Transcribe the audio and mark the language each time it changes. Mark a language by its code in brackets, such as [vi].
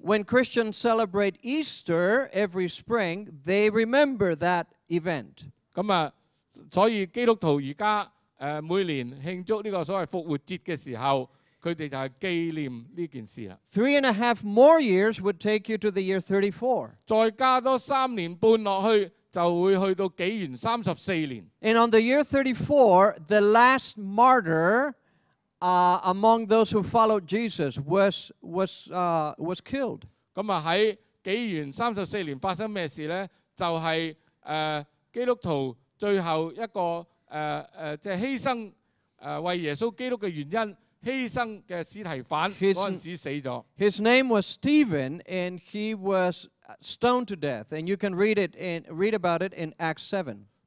[en] When Christians celebrate Easter every spring, they remember that event. [zh] 所以基督徒現在每年慶祝這個所謂復活節的時候, 他們就是紀念這件事了。 [en] 3.5 more years would take you to the year 34. [zh] 再加多三年半下去, 就會去到紀元34年。 [en] And on the year 34, the last martyr among those who followed Jesus was killed. [zh] 在紀元34年發生什麼事呢? 基督徒最後一個犧牲為耶穌基督的原因犧牲的使徒反那時死了。 [en] His name was Stephen, and he was stoned to death. And you can read about it in Acts 7.